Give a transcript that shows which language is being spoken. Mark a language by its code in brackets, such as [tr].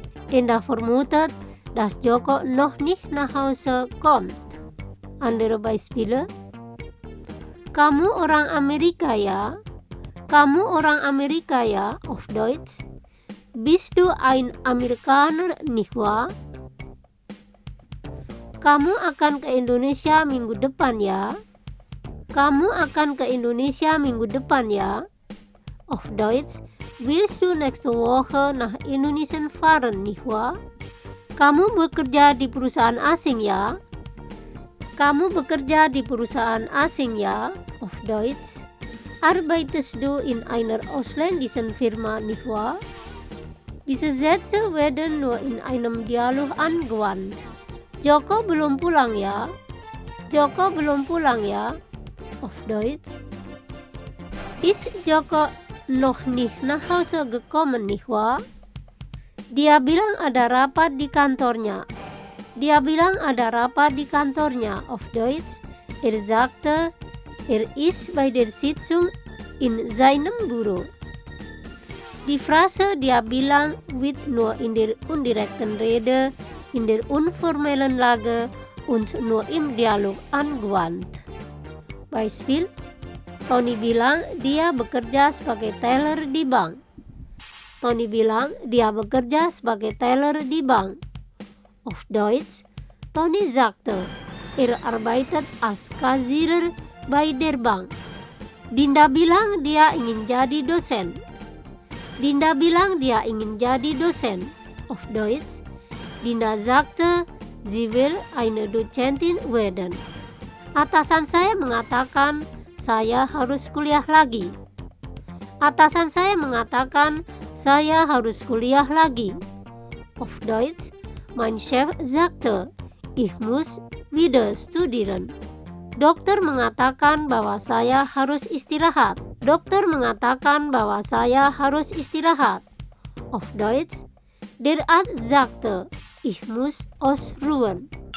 [de] Enda vermutet, dass Joko noch nicht nach Hause kommt. Andere Beispiele. [id] Kamu orang Amerika ya? Kamu orang Amerika ya? [de] Auf Deutsch. Bist du ein Amerikaner, nicht wahr? [id] Kamu akan ke Indonesia minggu depan ya? Kamu akan ke Indonesia minggu depan ya? [de] Auf Deutsch. Willst du nächste Woche nach Indonesien fahren, nicht wahr? [id] Kamu bekerja di perusahaan asing ya? Kamu bekerja di perusahaan asing ya? [de] Auf Deutsch. Arbeitest du in einer ausländischen Firma, nicht wahr? Diese Sätze werden nur in einem Dialog angewandt. [id] Joko belum pulang ya? Joko belum pulang ya? [de] Auf Deutsch. Ist Joko noch nicht nach Hause gekommen, nicht wahr? [id] Dia bilang ada rapat di kantornya. Dia bilang ada rapat di kantornya. [de] Auf Deutsch. Er sagte, er ist bei der Sitzung in seinem Büro. Die Phrase dia bilang wird nur in der indirekten Rede, in der unformellen Lage und nur im Dialog angewandt. Beispiel: [id] Tony bilang dia bekerja sebagai teller di bank. Tony bilang dia bekerja sebagai teller di bank. [de] Auf Deutsch, Tony sagte, er arbeitet als Kassierer bei der Bank. [id] Dinda bilang dia ingin jadi dosen. Dinda bilang dia ingin jadi dosen. [de] Auf Deutsch, Dinda sagte, sie will eine Dozentin werden. [id] Atasan saya mengatakan, saya harus kuliah lagi. Atasan saya mengatakan, saya harus kuliah lagi. [de] Auf Deutsch, Mein Chef sagte, ich muss wieder studieren. [id] Dokter mengatakan bahwa saya harus istirahat. Dokter mengatakan bahwa saya harus istirahat. [de] Auf Deutsch, der Arzt sagte, ich muss ausruhen.